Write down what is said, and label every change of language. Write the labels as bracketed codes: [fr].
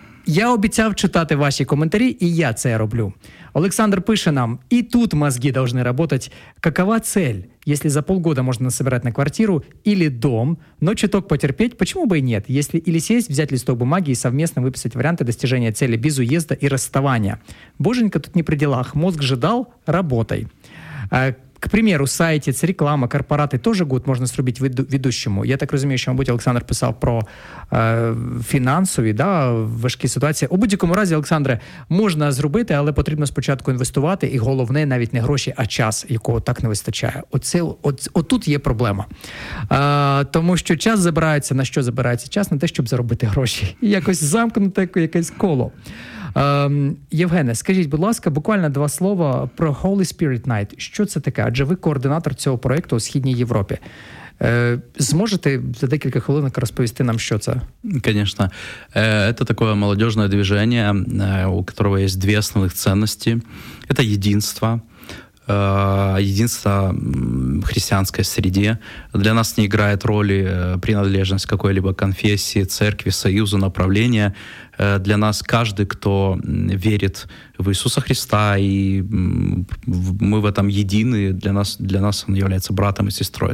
[uk] Я обіцяв читати ваші коментарі, і я це роблю. Олександр пише нам: [ru] «І тут мозги должны работать. Какова цель? Если за полгода можно собирать на квартиру или дом, но чуток потерпеть, почему бы и нет? Если или сесть, взять листок бумаги и совместно выписать варианты достижения цели без уезда и расставания. Боженька тут не при делах. Мозг же дал – работай». К примеру, [uk] сайти, це реклама, корпорати теж год можна зробити ведущому. Я так розумію, що, мабуть, Олександр писав про фінансові, да, важкі ситуації. У будь-якому разі, Олександре, можна зробити, але потрібно спочатку інвестувати, і головне навіть не гроші, а час, якого так не вистачає. Отут є проблема. Тому що час забирається, на що забирається? Час на те, щоб заробити гроші. Якось замкнуте якесь коло. Євгене, скажіть, будь ласка, буквально два слова про Holy Spirit Night. Що це таке? Адже ви координатор цього проєкту у Східній Європі. Зможете за декілька хвилинок розповісти нам, що це? Звісно. Це таке молодіжне движення, у якого є дві основних цінності. Це єдинство. [ru] Единство в христианской среде. Для нас не играет роли принадлежность к какой-либо конфессии, церкви, союзу, направления. Для нас каждый, кто верит в Иисуса Христа, и мы в этом едины, для нас он является братом и сестрой.